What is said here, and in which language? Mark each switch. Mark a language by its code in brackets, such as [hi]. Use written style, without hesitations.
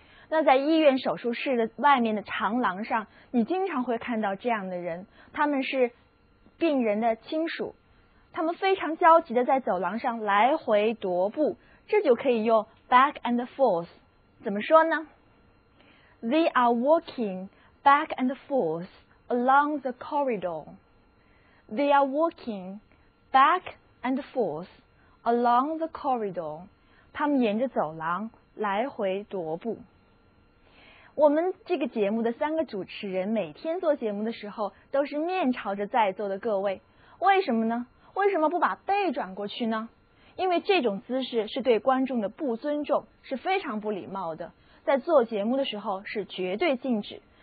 [zh] 那在医院手术室的外面的长廊上，你经常会看到这样的人，他们是病人的亲属，他们非常焦急的在走廊上来回踱步，这就可以用 back and forth。怎么说呢？ [en] They are walking back and forth along the corridor. They are walking back and forth along the corridor. [zh] 他们沿着走廊来回踱步。我们这个节目的三个主持人每天做节目的时候都是面朝着在座的各位，为什么呢？为什么不把背转过去呢？因为这种姿势是对观众的不尊重，是非常不礼貌的，在做节目的时候是绝对禁止。